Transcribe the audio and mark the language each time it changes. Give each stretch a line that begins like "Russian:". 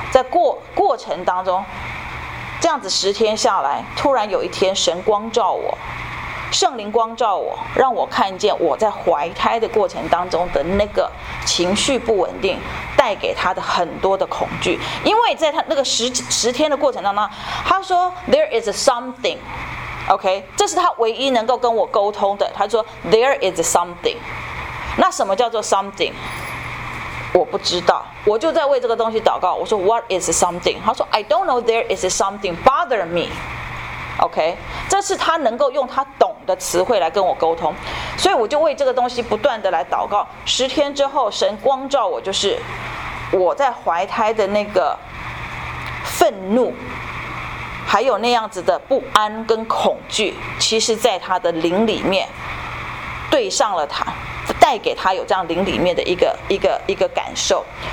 Chinese: 在 过程当中这样子十天下来，突然有一天神光照我，圣灵光照我，让我看见我在怀胎的过程当中的那个情绪不稳定带给他的很多的恐惧。因为在他那个 十天的过程当中，他说
English: There is something，
Chinese: OK， 这是他唯一能够跟我沟通的。他说
English: There is something，
Chinese: 那什么叫做 something？我不知道，我就在为这个东西祷告。我说
English: What is something？
Chinese: 他说
English: I don't know there is something bother me。
Chinese: OK， 这是他能够用他懂的词汇来跟我沟通，所以我就为这个东西不断的来祷告。十天之后神光照我，就是我在怀胎的那个愤怒还有那样子的不安跟恐惧，其实在他的灵里面对上了他，带给他有这样灵里面的一个感受。